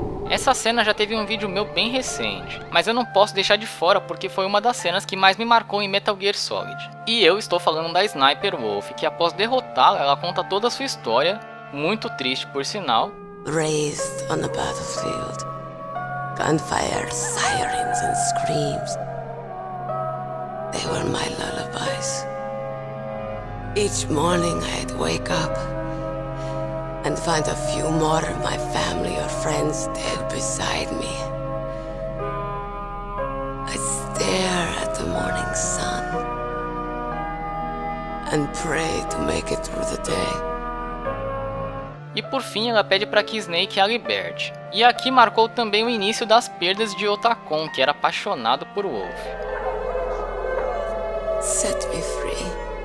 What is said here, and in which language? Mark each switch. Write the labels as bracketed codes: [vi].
[pt] Essa cena já teve um vídeo meu bem recente, mas eu não posso deixar de fora porque foi uma das cenas que mais me marcou em Metal Gear Solid. E eu estou falando da Sniper Wolf, que após derrotá-la, ela conta toda a sua história, muito triste por sinal. [en] Raised on the battlefield, gunfire, sirens and screams. They were my lullabies. Each morning I'd wake up and find a few more of my family or friends dead beside me. I'd stare at the morning sun and pray to make it through the day. [pt] E por fim, ela pede para que Snake a liberte. E aqui marcou também o início das perdas de Otacon, que era apaixonado por Wolf. [en] Set me free.